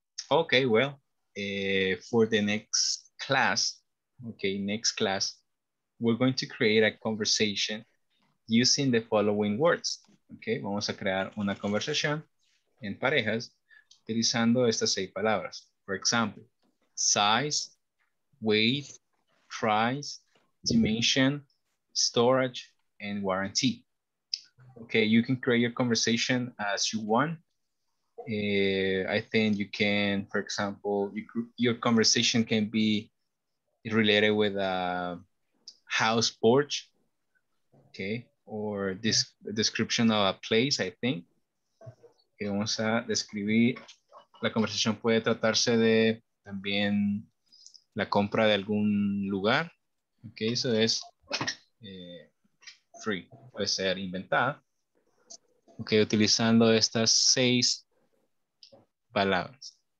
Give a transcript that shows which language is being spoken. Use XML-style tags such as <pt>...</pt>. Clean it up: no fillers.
<en>Okay, well, for the next class, okay, next class, we're going to create a conversation using the following words.</en> <es>Okay, vamos a crear una conversación en parejas utilizando estas seis palabras.</es> <en>For example, size, weight, price, dimension, storage, and warranty. Okay, you can create your conversation as you want. I think you can, for example, your conversation can be related with a house porch, okay, or this description of a place, I think.</en> <es>Okay, vamos a describir. La conversación puede tratarse de también la compra de algún lugar. Okay, eso es free, puede ser inventada. Okay, utilizando estas seis palabras.</es>